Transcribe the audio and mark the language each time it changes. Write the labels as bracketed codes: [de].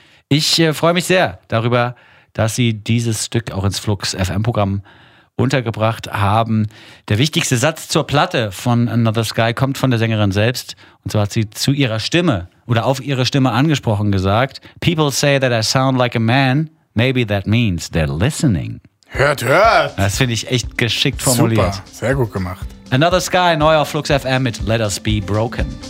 [de] Ich freue mich sehr darüber, dass Sie dieses Stück auch ins Flux FM-Programm untergebracht haben. Der wichtigste Satz zur Platte von Another Sky kommt von der Sängerin selbst. Und zwar hat sie zu ihrer Stimme oder auf ihre Stimme angesprochen gesagt: [en] People say that I sound like a man. Maybe that means they're listening. [de] Hört, hört! Das finde ich echt geschickt formuliert. Super, sehr gut gemacht. Another Sky, neu auf Flux FM mit Let Us Be Broken.